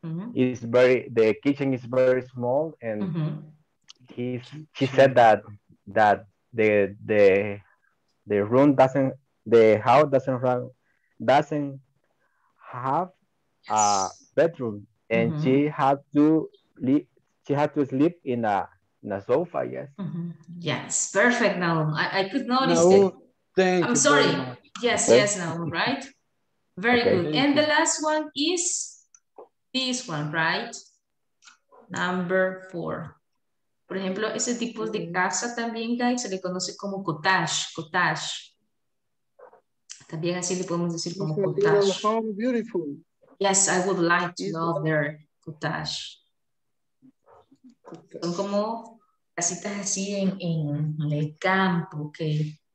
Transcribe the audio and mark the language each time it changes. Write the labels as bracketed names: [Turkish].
[English] It's very, the kitchen is very small, and she said that the room doesn't, the house doesn't have a bedroom, and she had to sleep in a sofa, yes. Yes, perfect. Now I could notice that. I'm sorry. Yes, okay. Yes, now, right? Very okay, good. And the last one is this one, right? Number four. [Spanish] Por ejemplo, ese tipo de casa también, guys, se le conoce como cottage. También así le podemos decir como cottage. [English] Beautiful. Yes, I would like to know their cottage. [Spanish] Son como casitas así en el campo, okay.